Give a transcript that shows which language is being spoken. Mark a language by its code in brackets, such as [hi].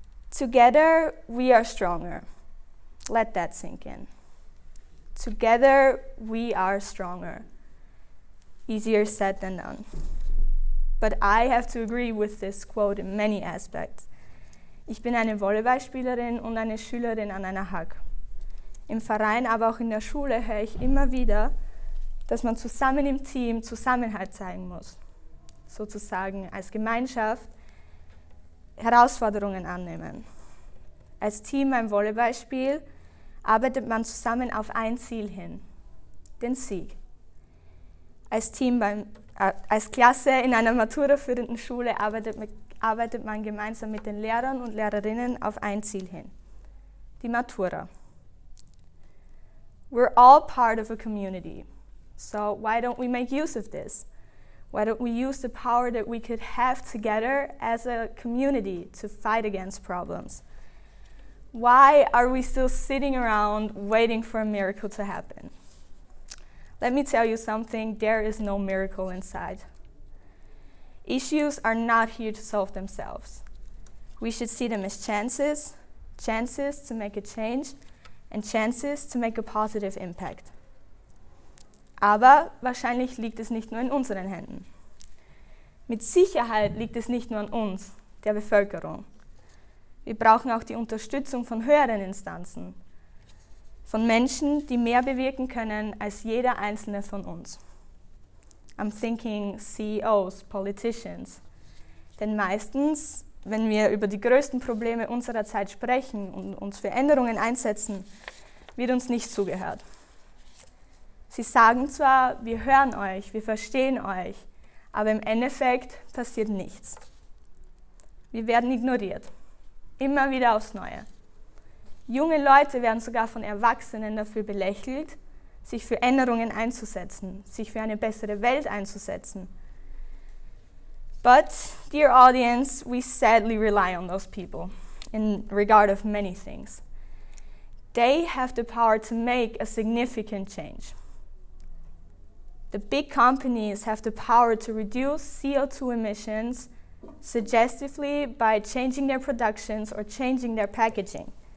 [en] Together, we are stronger. Let that sink in. Together, we are stronger. Easier said than done. But I have to agree with this quote in many aspects. [de] Ich bin eine Volleyballspielerin und eine Schülerin an einer HAK. Im Verein, aber auch in der Schule höre ich immer wieder, dass man zusammen im Team Zusammenhalt zeigen muss. Sozusagen als Gemeinschaft Herausforderungen annehmen. Als Team beim Volleyballspiel arbeitet man zusammen auf ein Ziel hin, den Sieg. Als Klasse in einer maturaführenden Schule arbeitet man gemeinsam mit den Lehrern und Lehrerinnen auf ein Ziel hin, die Matura. [en] We're all part of a community. So why don't we make use of this? Why don't we use the power that we could have together as a community to fight against problems? Why are we still sitting around waiting for a miracle to happen? Let me tell you something, there is no miracle in sight. Issues are not here to solve themselves. We should see them as chances, chances to make a change, and chances to make a positive impact. [de] Aber wahrscheinlich liegt es nicht nur in unseren Händen. Mit Sicherheit liegt es nicht nur an uns, der Bevölkerung. Wir brauchen auch die Unterstützung von höheren Instanzen, von Menschen, die mehr bewirken können als jeder einzelne von uns. [en] I'm thinking CEOs, politicians. [de] Denn meistens, wenn wir über die größten Probleme unserer Zeit sprechen und uns für Änderungen einsetzen, wird uns nicht zugehört. Sie sagen zwar, wir hören euch, wir verstehen euch, aber im Endeffekt passiert nichts. Wir werden ignoriert, immer wieder aufs Neue. Junge Leute werden sogar von Erwachsenen dafür belächelt, sich für Änderungen einzusetzen, sich für eine bessere Welt einzusetzen. [en] But, dear audience, we sadly rely on those people in regard of many things. They have the power to make a significant change. The big companies have the power to reduce CO2 emissions suggestively by changing their productions or changing their packaging.